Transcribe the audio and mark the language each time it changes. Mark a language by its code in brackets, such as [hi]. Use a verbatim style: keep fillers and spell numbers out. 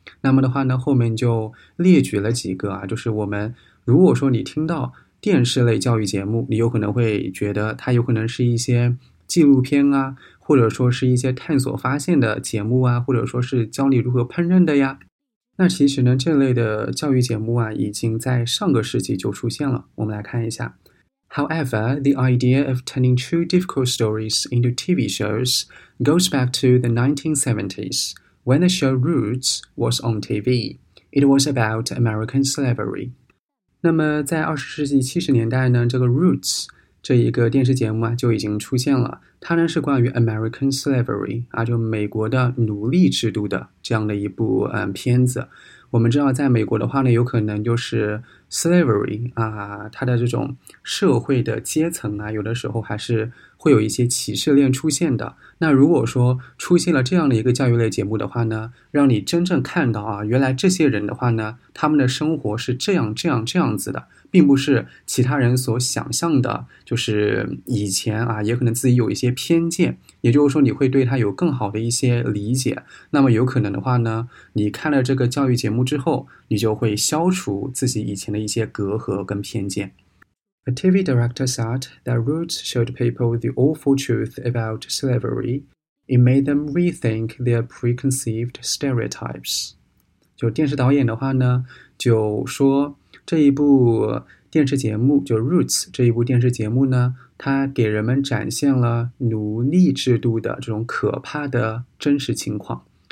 [zh] 那么的话呢，后面就列举了几个啊，就是我们如果说你听到电视类教育节目，你有可能会觉得它有可能是一些纪录片啊，或者说是一些探索发现的节目啊，或者说是教你如何烹饪的呀。那其实呢，这类的教育节目啊，已经在上个世纪就出现了。我们来看一下。 [en] However, the idea of turning true difficult stories into T V shows goes back to the nineteen seventies, when the show Roots was on T V. It was about American slavery. [zh] 那么在二十世纪七十年代呢，这个 Roots 这一个电视节目啊就已经出现了。它呢是关于 [en] American slavery [zh] 啊，就美国的奴隶制度的这样的一部嗯片子。我们知道在美国的话呢，有可能就是 slavery 啊，它的这种社会的阶层啊，有的时候还是会有一些歧视链出现的。那如果说出现了这样的一个教育类节目的话呢，让你真正看到啊，原来这些人的话呢，他们的生活是这样这样这样子的，并不是其他人所想象的，就是以前啊，也可能自己有一些偏见，也就是说你会对他有更好的一些理解。那么有可能的话呢，你看了这个教育节目之后，你就会消除自己以前的一些隔阂跟偏见。 [en] A T V director said that Roots showed people the awful truth about slavery. It made them rethink their preconceived stereotypes. [zh] 就电视导演的话呢，就说这一部电视节目，就 Roots 这一部电视节目呢，它给人们展现了奴隶制度的这种可怕的真实情况。